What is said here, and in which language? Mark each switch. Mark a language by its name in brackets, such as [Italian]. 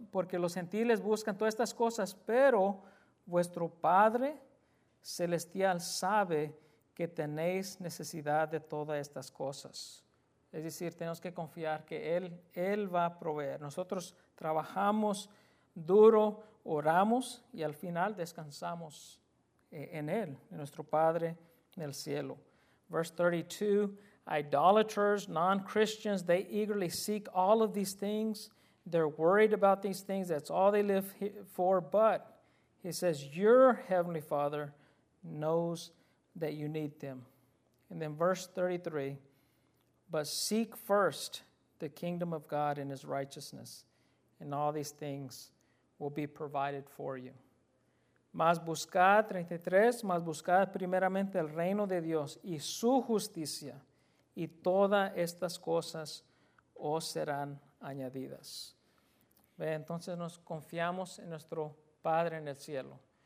[Spanish] Porque los gentiles buscan todas estas cosas, pero vuestro Padre Celestial sabe que tenéis necesidad de todas estas cosas. Es decir, tenemos que confiar que Él va a proveer. Nosotros trabajamos duro, oramos y al final descansamos en Él, en nuestro Padre en el cielo. [English] Verse 32, idolaters, non-Christians, they eagerly seek all of these things. They're worried about these things. That's all they live for. But he says, your heavenly Father knows that you need them. And then verse 33, but seek first the kingdom of God and His righteousness, and all these things will be provided for you. [Spanish] Mas buscad, 33, mas buscad primeramente el reino de Dios y su justicia, y todas estas cosas os serán añadidas. Ve, entonces nos confiamos en nuestro Padre en el cielo.